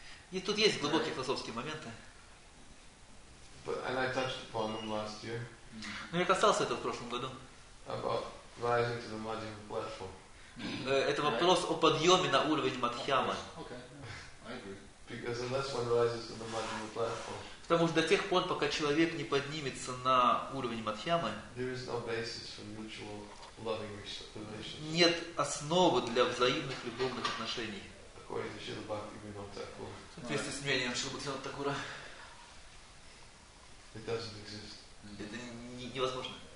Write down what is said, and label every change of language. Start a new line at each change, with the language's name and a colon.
Russian: И тут есть глубокие философские моменты.
English: But and I touched upon them last year.
Russian: Ну я касался этого в прошлом году.
English: About rising to the Madhyama platform.
Russian: Это вопрос о подъеме на уровень Мадхьямы.
English: Okay, I agree. because unless one rises to the Madhyama platform,
Russian: потому что до тех пор, пока человек не поднимется на уровень Мадхьямы,
English: there is no basis for mutual loving relations.
Russian: Нет основы для взаимных любовных отношений.
English: According to Śrīla Bhaktivinoda Thakura.
Russian: Вместе с мнением Śrīla Bhaktivinoda Thakura.
English: It doesn't exist.
Russian: Это невозможно.